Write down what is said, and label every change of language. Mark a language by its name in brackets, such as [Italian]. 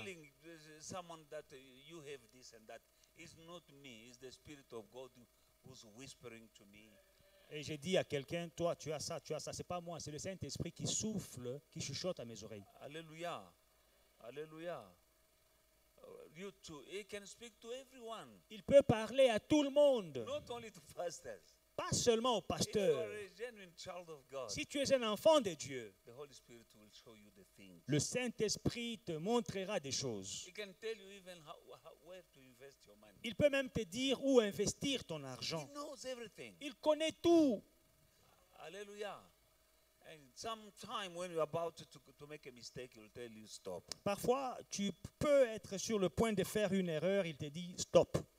[English] Telling someone that you have this and that is not me. It's the Spirit of God who's whispering to me. [French] Et j'ai dit à quelqu'un, toi, tu as ça. C'est pas moi, c'est le Saint-Esprit qui souffle, qui chuchote à mes oreilles. Alléluia. Alléluia. [English] You too. He can speak to everyone. [French] Il peut parler à tout le monde. [English] Not only to pastors. [French] Pas seulement aux pasteurs. [English] If you are a genuine child of God, [French] si tu es un enfant de Dieu, [English] the Holy Spirit will show you the things. [French] Le Saint-Esprit te montrera des choses. [English] He can tell you even where to invest your money. [French] Il peut même te dire où investir ton argent. [English] He knows everything. [French] Il connaît tout. Alléluia. [English] And sometimes when you're about to make a mistake, he'll tell you stop. [French] Parfois, tu peux être sur le point de faire une erreur, il te dit stop.